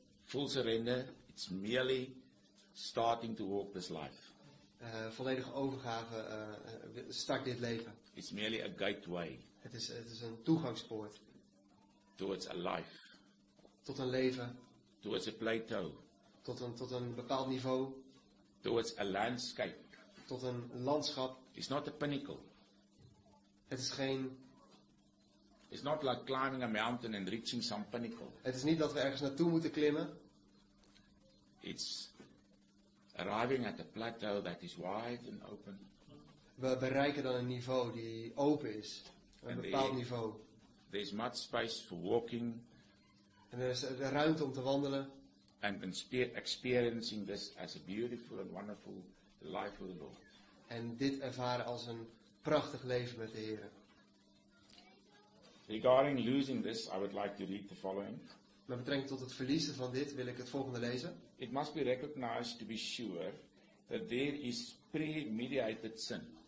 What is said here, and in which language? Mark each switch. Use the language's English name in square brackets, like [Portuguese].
[English] Full surrender, it's merely starting to walk this life. [Dutch] Volledige overgave, start dit leven. [English] It's merely a gateway. [Dutch] Het is een toegangspoort. [English] Towards a life. [Dutch] Tot een leven. [English] Towards a plateau. [Dutch] Tot een bepaald niveau. [English] Towards a landscape. [Dutch] Tot een landschap. [English] It's not a pinnacle. [Dutch] Het is geen... [English] It's not like climbing a mountain and reaching some pinnacle. [Dutch] Het is niet dat we ergens naartoe moeten klimmen. [English] It's arriving at a plateau that is wide and open. [Dutch] We bereiken dan een niveau die open is. Een bepaald niveau. [English] There's much space for walking. [Dutch] En er is ruimte om te wandelen. [English] And experiencing this as a beautiful and wonderful life with the Lord. [Dutch] En dit ervaren als een prachtig leven met de Heer. [English] Regarding losing this, I would like to read the following. [Dutch] Met betrekking tot het verliezen van dit wil ik het volgende lezen. [English] It must be recognized to be sure that there is premediated sin.